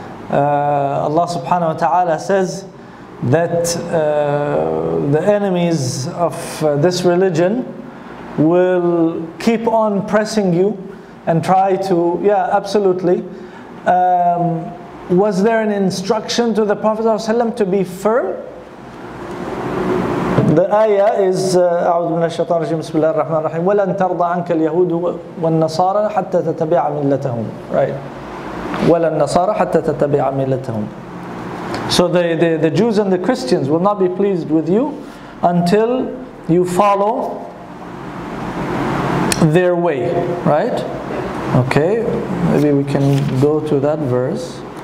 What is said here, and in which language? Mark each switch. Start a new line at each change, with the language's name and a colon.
English: Allah subhanahu wa ta'ala says that the enemies of this religion will keep on pressing you and try to, yeah, absolutely. Was there an instruction to the Prophet ﷺ to be firm? The ayah is
Arabic: أَعُوذُ مِنَ الشَّيْطَانِ الرَّجِيمِ بِسْمِ اللَّهِ الرَّحْمَنِ الرَّحِيمِ وَلَنْ تَرْضَ عَنْكَ الْيَهُودُ وَالنَّصَارَى حَتَّى تَتَبِعَ مِلَّتَهُمْ. Right. وَلَنْ نَصَارَى حَتَّى تَتَبِعَ مِلَّتَهُمْ.
English: So the Jews and the Christians will not be pleased with you until you follow their way, right? Okay, maybe we can go to that verse.